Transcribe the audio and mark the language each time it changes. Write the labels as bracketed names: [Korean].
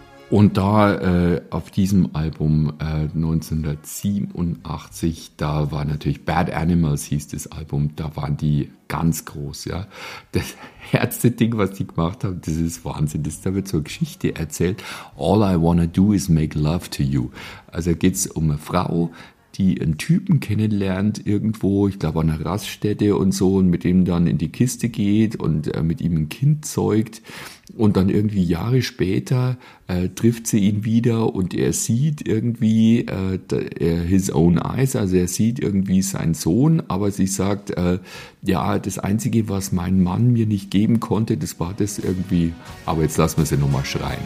[German] Und da auf diesem Album 1987, da war natürlich Bad Animals hieß das Album, da waren die ganz groß. Ja. Das erste Ding, was die gemacht haben, das ist Wahnsinn, da wird so eine Geschichte erzählt. [English] All I wanna do is make love to you. [German] Also geht es um eine Frau, die einen Typen kennenlernt irgendwo, ich glaube an einer Raststätte und so, und mit dem dann in die Kiste geht und mit ihm ein Kind zeugt. Und dann irgendwie Jahre später trifft sie ihn wieder und er sieht irgendwie [English] his own eyes, [German] also er sieht irgendwie seinen Sohn, aber sie sagt, ja, das Einzige, was mein Mann mir nicht geben konnte, das war das irgendwie, aber jetzt lassen wir sie nochmal schreien.